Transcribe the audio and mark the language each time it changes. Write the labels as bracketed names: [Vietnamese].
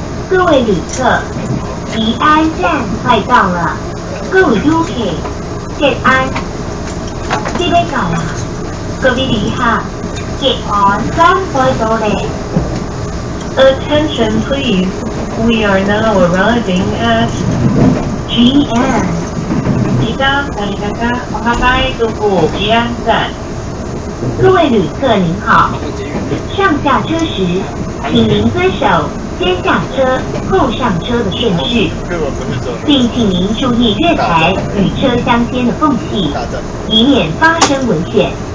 [Chinese] 各位旅客，吉安站快到了。 Go UK， 吉安。这边到了。各位旅客，吉安站快到了。 [English] Attention please, we are now arriving at GN。 [Chinese] 吉安，欢迎大家，欢迎大家渡过吉安站。各位旅客您好，上下车时，请您遵守。先下车后上车的顺序，并请您注意月台与车厢间的缝隙，以免发生危险。